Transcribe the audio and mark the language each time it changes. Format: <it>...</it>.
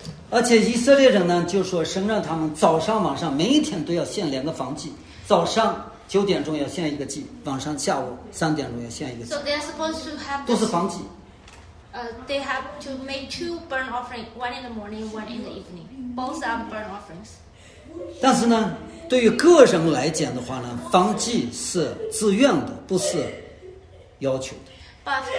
<zh>而且以色列人呢，就说神让他们早上晚上每一天都要献两个燔祭，早上9点要献一个祭，晚上下午3点要献一个祭。</zh> <en>So they are supposed to have</en> <zh>都是燔祭。</zh> <en>They have to make 2 burnt offerings, one in the morning, one in the evening. Both are burnt offerings.</en> <zh>但是呢，对于个人来讲的话呢，燔祭是自愿的，不是要求的。</zh>